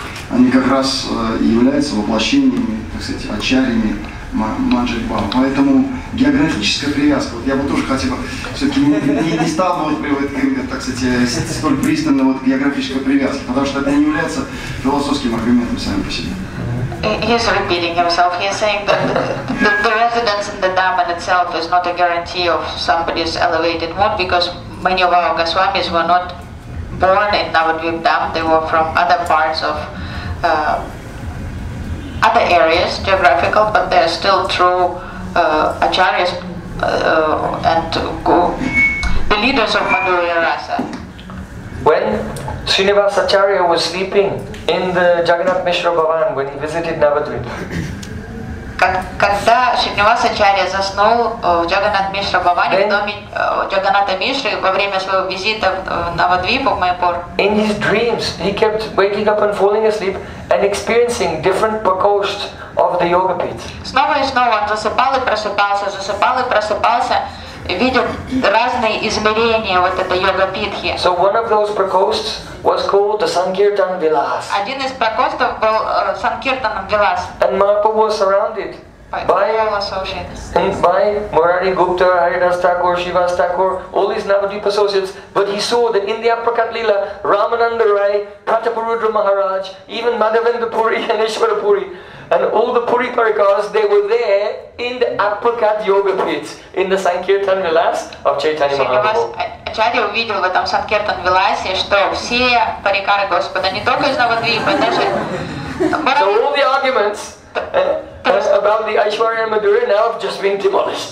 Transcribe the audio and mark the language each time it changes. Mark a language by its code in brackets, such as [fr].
[ru] Они как раз являются воплощениями, так сказать, ачарьями Манджари Бхава. Поэтому географическая привязка, вот я бы тоже хотел, все-таки не стал бы, вот, так сказать, столь пристально вот, географическая привязка, потому что это не является философским аргументом сами по себе. [en] He's repeating himself. He's saying that the residence in the Dhamma itself is not a guarantee of somebody's elevated mood, because many of our Goswamis were not born in Navadvip Dham, they were from other parts of other areas, geographical, but they are still true acharyas and the leaders of Madhurya Rasa. When Srinivas Acharya was sleeping in the Jagannath Mishra Bhavan when he visited Navadvip. [ru] Когда Шринивас Ачарья заснул в Джаганат Мишра Бхаване, в доме Джаганата Мишры, во время своего визита в Навадвипу, в Майпур. [en] In his dreams, he kept waking up and falling asleep and experiencing different prakosht of the yoga pit. [ru] Снова и снова он засыпал и просыпался, засыпал и просыпался, видел разные измерения вот этой йога питхи. [en] So one of those prakosht was called the Sankirtan Vilas. [ru] Один из прокостов был Sankirtan Vilas. [en] And Mahaprabhu was surrounded by Murari Gupta, Haridas Thakur, Shivas Thakur, all his Navadvip associates, but he saw that in the Aprakat Lila, Ramananda Rai, Prataparudra Maharaj, even Madhavendra Puri and Ishwara Puri, and all the Puri Parikars, they were there in the Aprakat Yoga Pit, in the Sankirtan Vilas of Chaitanya Mahaprabhu. [ru] Ачарья увидел в этом Sankirtan Vilasе, что все парикары Господа, не только из Навадвипа, даже... [en] So all the arguments... As about the Aishwarya Madhura, now I've just been demolished.